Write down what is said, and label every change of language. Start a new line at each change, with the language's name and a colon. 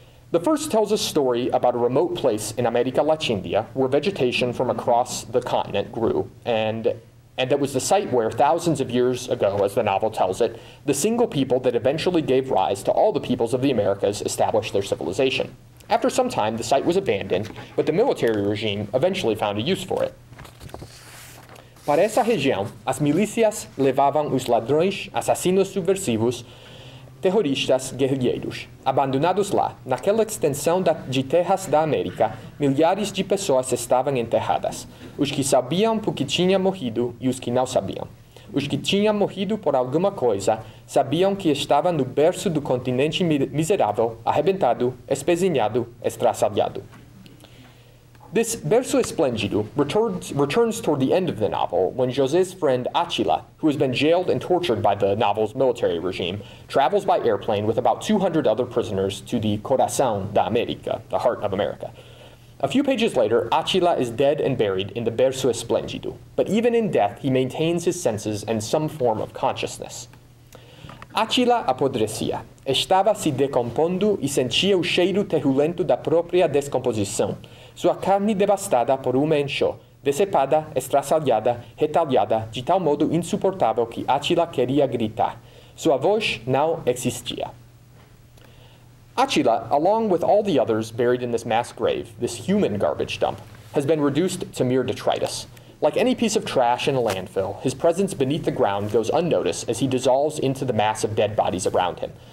English: The first tells a story about a remote place in América Latina where vegetation from across the continent grew, and that was the site where thousands of years ago, as the novel tells it, the single people that eventually gave rise to all the peoples of the Americas established their civilization. After some time, the site was abandoned, but the military regime eventually found a use for it.
Portuguese: Para essa região, as milícias levavam os ladrões, assassinos subversivos, terroristas, guerrilheiros. Abandonados lá, naquela extensão de terras da América, milhares de pessoas estavam enterradas. Os que sabiam porque tinham morrido e os que não sabiam. Os que tinham morrido por alguma coisa, sabiam que estavam no berço do continente miserável, arrebentado, espezinhado, estraçalhado.
English: this verso esplendido returns toward the end of the novel when José's friend Achila, who has been jailed and tortured by the novel's military regime, travels by airplane with about 200 other prisoners to the Corazón de América, the heart of America. A few pages later, Achila is dead and buried in the verso esplendido, but even in death, he maintains his senses and some form of consciousness.
Portuguese: Achila apodrecia. Estava se decompondo e sentia o cheiro terrulento da própria descomposição. Sua carne devastada por uma enxó, decepada, estraçalhada, retalhada, de tal modo insuportável que Achila queria gritar. Sua voz não existia.
English: Achila, along with all the others buried in this mass grave, this human garbage dump, has been reduced to mere detritus. Like any piece of trash in a landfill, his presence beneath the ground goes unnoticed as he dissolves into the mass of dead bodies around him.